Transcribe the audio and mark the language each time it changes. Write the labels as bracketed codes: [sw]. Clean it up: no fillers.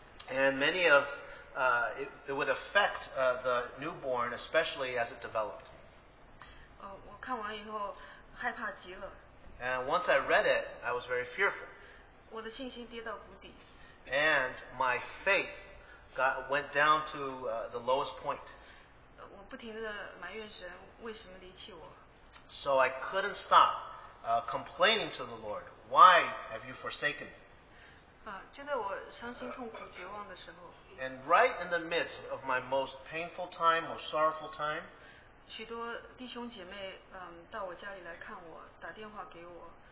[en] And many of it would affect the newborn, especially as it developed. [zh] 我看完以后害怕极了。 [en] And once I read it, I was very fearful. [zh] 我的信心跌到谷底。 [en] And my faith went down to the lowest point. [zh] 我不停地埋怨神，为什么离弃我？ [en] So I couldn't stop complaining to the Lord. Why have you forsaken me? [zh] 就在我伤心痛苦绝望的时候。 [en] And right in the midst of my most painful time, most sorrowful time, [zh] 许多弟兄姐妹, 到我家里来看我，打电话给我。